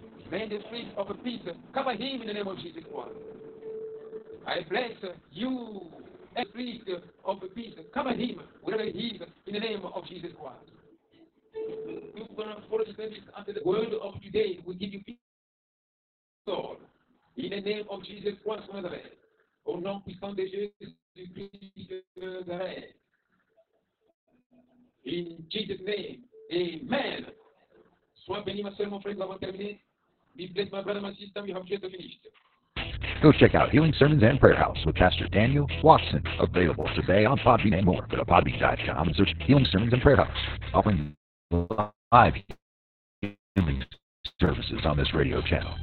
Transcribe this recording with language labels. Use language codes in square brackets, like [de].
[en] May the spirit of peace cover him in the name of Jesus Christ. I bless you, the spirit of peace, cover him wherever he is in the name of Jesus Christ. You're going to follow the service after the word of today. We give you peace, Lord, in the name of Jesus Christ of Nazareth. [fr] Au nom puissant de Jésus-Christ de Nazareth. [en] In Jesus' name, amen. [fr] Sois béni, ma soeur, mon frère, nous avons terminé. [en] Be blessed, my brother, my sister, we have just finished. Go check out Healing Sermons and Prayer House with Pastor Daniel Watson. Available today on Podbean and more. Go to podbean.com and search Healing Sermons and Prayer House. Offering live healing services on this radio channel.